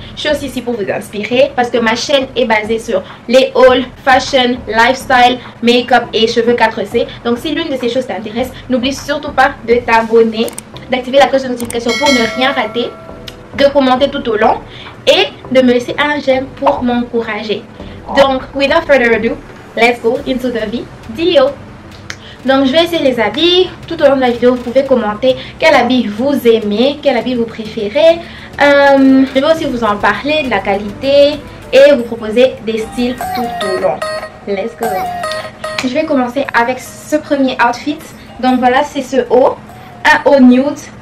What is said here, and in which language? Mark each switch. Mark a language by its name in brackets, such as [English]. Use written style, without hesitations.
[French] Je suis aussi ici pour vous inspirer parce que ma chaîne est basée sur les hauls, fashion, lifestyle, make-up et cheveux 4C. Donc si l'une de ces choses t'intéresse, n'oublie surtout pas de t'abonner, d'activer la cloche de notification pour ne rien rater, de commenter tout au long et de me laisser un j'aime pour m'encourager. Donc, [English] without further ado, let's go into the video. [French] Donc, je vais essayer les habits. Tout au long de la vidéo, vous pouvez commenter quel habit vous aimez, quel habit vous préférez. Je vais aussi vous en parler de la qualité et vous proposer des styles tout au long. [English] Let's go. [French] Je vais commencer avec ce premier outfit. Donc, voilà, c'est ce haut. Un haut nude.